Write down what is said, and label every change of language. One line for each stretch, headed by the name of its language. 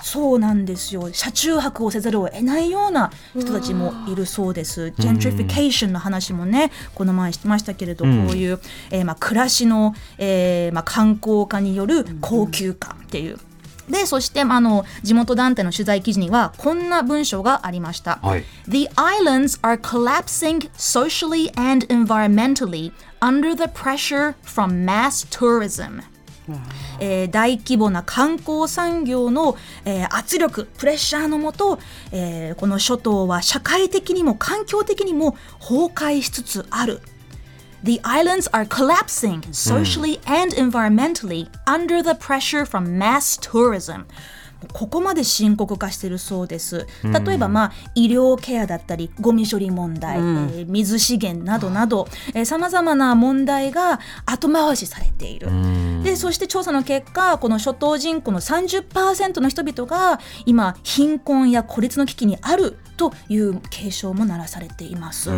Japanese: そうなんですよ、車中泊をせざるを得ないような人たちもいるそうです。ジェントリフィケーションの話もねこの前してましたけれど、こういう、まあ暮らしの、まあ観光化による高級化っていう、でそして地元団体の取材記事にはこんな文章がありました、はい、
English: The islands are collapsing socially and environmentally under the pressure from mass tourism、
Japanese: 大規模な観光産業の、圧力プレッシャーのもと、この諸島は社会的にも環境的にも崩壊しつつある。
English: The islands are collapsing socially and environmentally under the pressure from mass tourism。
Japanese: ここまで深刻化してるそうです。例えば、医療ケアだったりゴミ処理問題、水資源などなど、様々な問題が後回しされている。でそして調査の結果、この諸島人口の 30% の人々が今貧困や孤立の危機にあるという警鐘も鳴らされています。